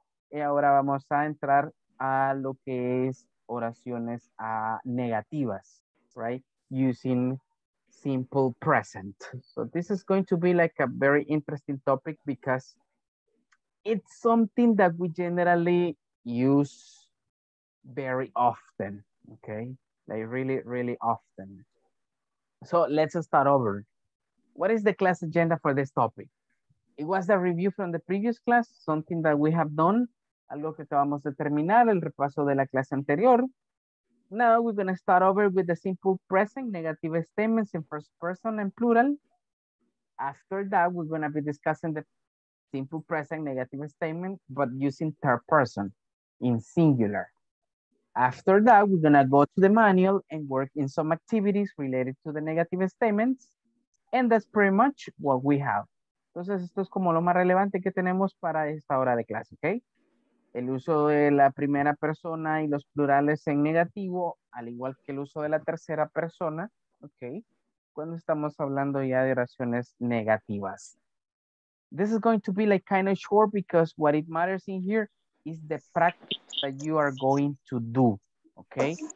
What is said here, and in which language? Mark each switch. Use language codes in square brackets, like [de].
[es] Y ahora vamos a entrar a lo que es oraciones negativas, right? [en] Using simple present. So this is going to be like a very interesting topic because it's something that we generally use very often, okay? Like really, really often. So let's start over. What is the class agenda for this topic? It was the review from the previous class, something that we have done, [es] algo que acabamos de terminar, el repaso de la clase anterior. [en] Now we're gonna start over with the simple present, negative statements in first person and plural. After that, we're gonna be discussing the simple present, negative statement, but using third person in singular. After that, we're gonna go to the manual and work in some activities related to the negative statements. And that's pretty much what we have. [es] Entonces, esto es como lo más relevante que tenemos para esta hora de clase, okay? El uso de la primera persona y los plurales en negativo, al igual que el uso de la tercera persona, okay? Cuando estamos hablando ya de oraciones negativas. [en] This is going to be like kind of short because what it matters in here is the practice that you are going to do, okay?